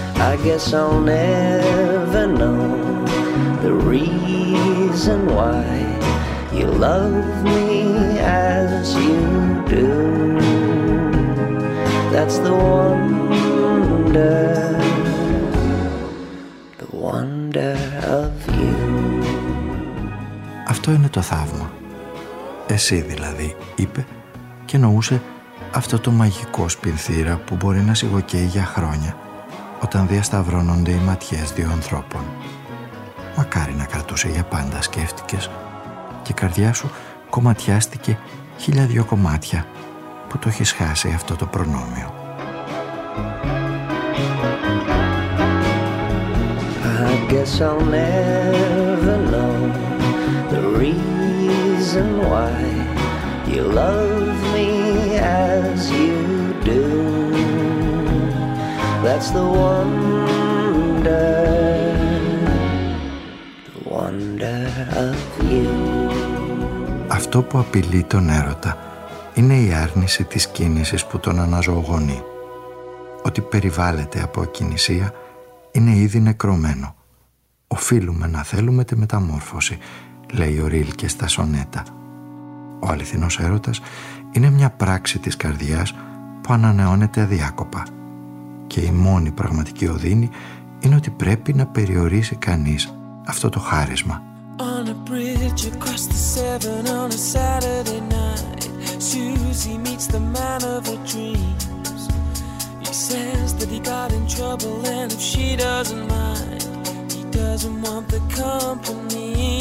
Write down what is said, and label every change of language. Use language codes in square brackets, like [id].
[en] I guess I'll never know the reason why you love me as you do. That's the wonder, the wonder of you. [el] Αυτό είναι το θαύμα. Εσύ δηλαδή, είπε και εννοούσε αυτό το μαγικό σπινθήρα που μπορεί να σιγοκαίει για χρόνια όταν διασταυρώνονται οι ματιές δύο ανθρώπων. Μακάρι να κρατούσε για πάντα, σκέφτηκες, και η καρδιά σου κομματιάστηκε χίλια δυο κομμάτια που το έχεις χάσει αυτό το προνόμιο. [en] I guess I'll never know reason why you love me as you do. That's the wonder, the wonder of you. [el] Αυτό που απειλεί τον έρωτα είναι η άρνηση της κίνησης που τον αναζωογονεί. Ότι περιβάλλεται από ακινησία είναι ήδη νεκρωμένο. Οφείλουμε να θέλουμε τη μεταμόρφωση, λέει ο Ρίλκε στα σονέτα. Ο αληθινός έρωτας είναι μια πράξη της καρδιάς που ανανεώνεται αδιάκοπα. Και η μόνη πραγματική οδύνη είναι ότι πρέπει να περιορίσει κανείς αυτό το χάρισμα. [en] On a bridge across the seven on a Saturday night, Susie meets the man of her dreams. He says that he got in trouble and if she doesn't mind, he doesn't want the company.